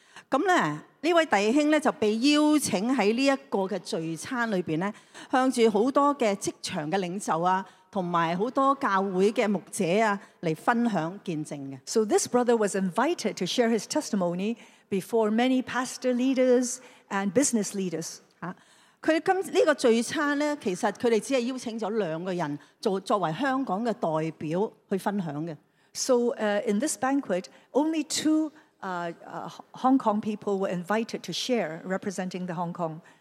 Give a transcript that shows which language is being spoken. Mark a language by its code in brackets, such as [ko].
[yue] 咁咧呢位弟兄咧就被邀請喺呢一個嘅聚餐裏邊咧，向住好多嘅職場嘅領袖啊。同埋好多教會嘅牧者啊，嚟分享見證嘅。 [en] So this brother was invited to share his testimony before many pastor leaders and business leaders. [yue] 嚇，佢今呢個聚餐咧，其實佢哋只係邀請咗兩個人作為香港嘅代表去分享嘅。 [en] So in this banquet, only two Hong Kong people were invited to share, representing the Hong Kong.